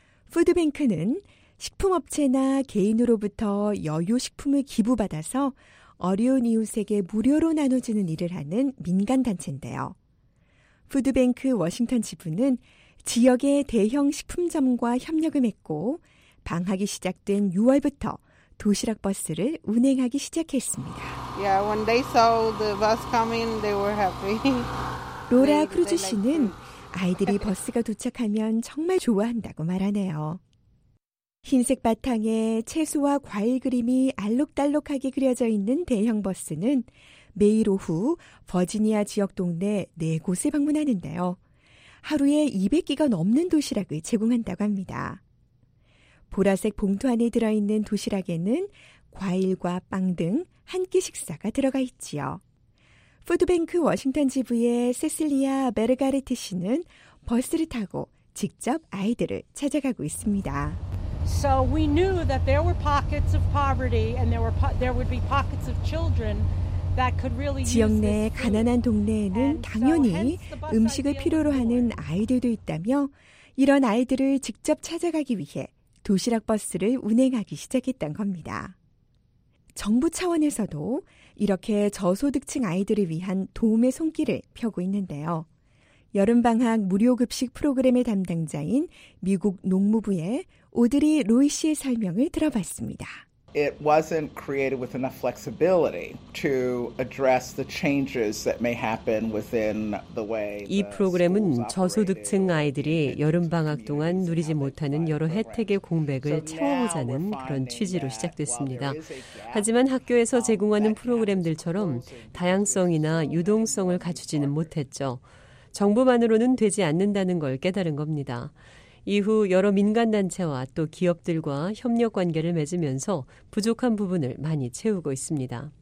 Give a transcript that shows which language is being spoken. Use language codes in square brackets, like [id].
[ko] 푸드뱅크는 식품업체나 개인으로부터 여유식품을 기부받아서 어려운 이웃에게 무료로 나눠주는 일을 하는 민간단체인데요. 푸드뱅크 워싱턴 지부는 지역의 대형 식품점과 협력을 맺고 방학이 시작된 6월부터 도시락 버스를 운행하기 시작했습니다. [en] Yeah, when they saw the bus coming, they were happy. [ko] 로라 크루즈 씨는 아이들이 버스가 도착하면 정말 좋아한다고 말하네요. 흰색 바탕에 채소와 과일 그림이 알록달록하게 그려져 있는 대형 버스는 매일 오후 버지니아 지역 동네 네 곳을 방문하는데요. 하루에 200개가 넘는 도시락을 제공한다고 합니다. 보라색 봉투 안에 들어있는 도시락에는 과일과 빵 등 한 끼 식사가 들어가 있지요. 푸드뱅크 워싱턴 지부의 세실리아 베르가르티 씨는 버스를 타고 직접 아이들을 찾아가고 있습니다. [en] So we knew that there were pockets of poverty and there would be pockets of children. [ko] 지역 내 가난한 동네에는 당연히 음식을 필요로 하는 아이들도 있다며 이런 아이들을 직접 찾아가기 위해 도시락 버스를 운행하기 시작했던 겁니다. 정부 차원에서도 이렇게 저소득층 아이들을 위한 도움의 손길을 펴고 있는데요. 여름방학 무료급식 프로그램의 담당자인 미국 농무부의 오드리 로이 씨의 설명을 들어봤습니다. [en] It wasn't created with enough flexibility to address the changes that may happen within the way. [ko] 이 프로그램은 저소득층 아이들이 여름 방학 동안 누리지 못하는 여러 혜택의 공백을 채워보자는 그런 취지로 시작됐습니다. 하지만 학교에서 제공하는 프로그램들처럼 다양성이나 유동성을 갖추지는 못했죠. 정부만으로는 되지 않는다는 걸 깨달은 겁니다. 이후 여러 민간단체와 또 기업들과 협력 관계를 맺으면서 부족한 부분을 많이 채우고 있습니다.